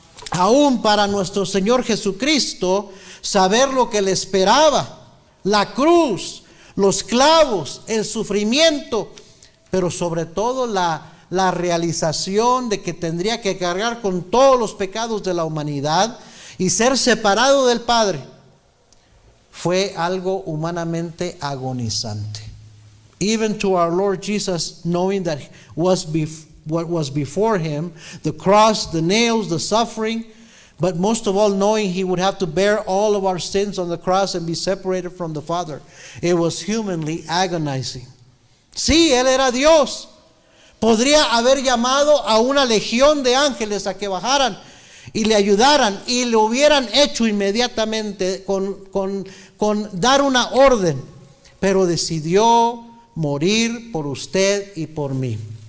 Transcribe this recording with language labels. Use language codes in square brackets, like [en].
[es] Aún para nuestro Señor Jesucristo, saber lo que le esperaba, la cruz, los clavos, el sufrimiento, pero sobre todo la realización de que tendría que cargar con todos los pecados de la humanidad y ser separado del Padre, fue algo humanamente agonizante. [en] Even to our Lord Jesus, knowing that what was before him, the cross, the nails, the suffering, but most of all knowing he would have to bear all of our sins on the cross and be separated from the Father, it was humanly agonizing. [es] Sí, él era Dios. Podría haber llamado a una legión de ángeles a que bajaran y le ayudaran y lo hubieran hecho inmediatamente con dar una orden, pero decidió morir por usted y por mí.